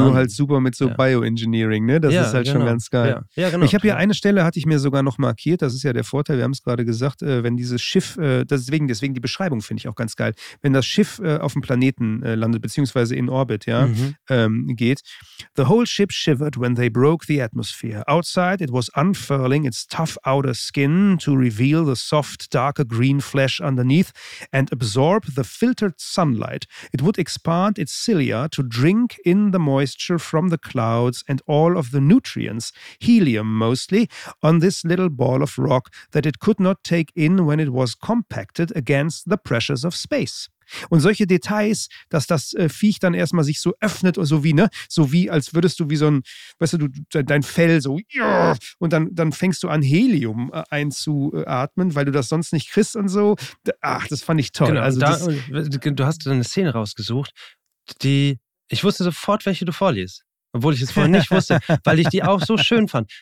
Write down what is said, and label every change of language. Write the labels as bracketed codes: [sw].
[de] Nur halt super mit so Bioengineering, ne? Das ist halt schon ganz geil. Ja, genau. Ich habe hier eine Stelle, hatte ich mir sogar noch markiert, das ist ja der Vorteil, wir haben es gerade gesagt, wenn dieses Schiff, deswegen die Beschreibung finde ich auch ganz geil, wenn das Schiff auf dem Planeten landet, beziehungsweise in Orbit, ja, geht. [en] The whole ship shivered when they broke the atmosphere. Outside it was unfurling its tough outer skin to reveal the soft, darker green flesh underneath and absorb the filtered sunlight. It would expand its cilia to drink in the moisture from the clouds and all of the nutrients, helium mostly, on this little ball of rock that it could not take in when it was compacted against the pressures of space. [de] Und solche Details, dass das Viech dann erstmal sich so öffnet, so wie als würdest du wie so ein, weißt du, dein Fell so, und dann fängst du an Helium einzuatmen, weil du das sonst nicht kriegst und so. Ach, das fand ich toll. Genau, also du hast eine Szene rausgesucht, die ich wusste sofort, welche du vorliest, obwohl ich es vorher nicht wusste, weil ich die auch so schön fand.